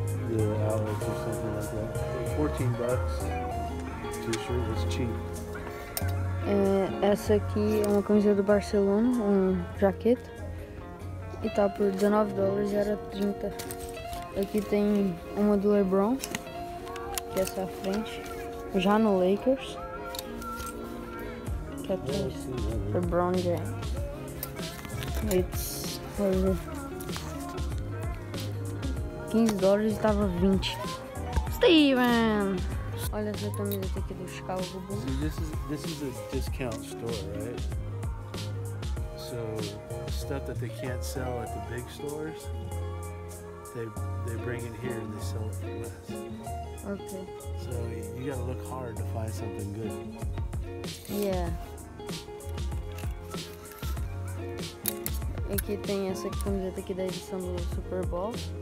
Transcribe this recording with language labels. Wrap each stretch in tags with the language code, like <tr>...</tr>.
<en>The outlet or something like that. $14. T-shirt is cheap.</en> <pt>Essa aqui é uma camisa do Barcelona, uma jaqueta. E tá por $19 e era 30. Aqui tem uma do LeBron, que é essa à frente. Já no Lakers. Que é isso?</pt> <en>LeBron James. It's crazy.</en> <pt>$15 e tava 20. Steven! Olha essa camisa aqui do Chicago Bulls.</pt> <en>See, this is a discount store, right? So stuff that they can't sell at the big stores, they bring it here and they sell it for less. Okay. So you gotta look hard to find something good. Yeah.</en> <pt>Aqui tem essa camiseta aqui da edição do Super Bowl.</pt>